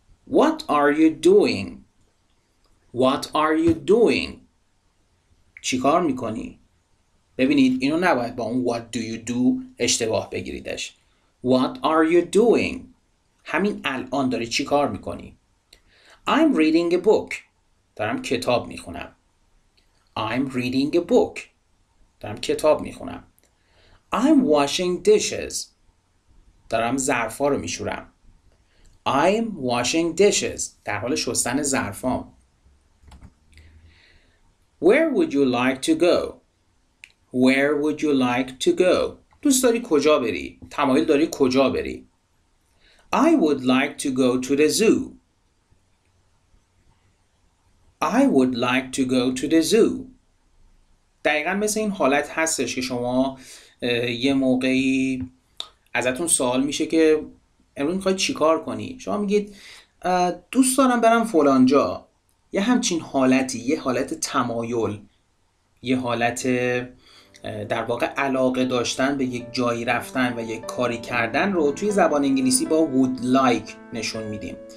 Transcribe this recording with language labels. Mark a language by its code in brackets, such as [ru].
[en] What are you doing? What are you doing? [fa] چی کار میکنی؟ ببینید اینو نباید با اون [en] what do you do [fa] اشتباه بگیریدش. [en] What are you doing؟ [fa] همین الان داری چی کار میکنی؟ [en] I'm reading a book. [fa] دارم کتاب میخونم. [en] I'm reading a book. [fa] دارم کتاب میخونم. [en] I'm washing dishes. [fa] دارم ظرفا رو میشورم. [en] I'm washing dishes. [fa] در حال شستن ظرفام. [en] Where would you like to go? Where would you like to go? [fa] دوست داری کجا بری؟ تمایل داری کجا بری؟ [en] I would like to go to the zoo. I would like to go to the zoo. [fa] دقیقا مثل این حالت هستش که شما یه موقعی ازتون سوال میشه که امروز میخوای چیکار کنی؟ شما میگید دوست دارم برم فلان جا. یه همچین حالتی، یه حالت تمایل، یه حالت در واقع علاقه داشتن به یک جایی رفتن و یک کاری کردن رو توی زبان انگلیسی با would like نشون میدیم.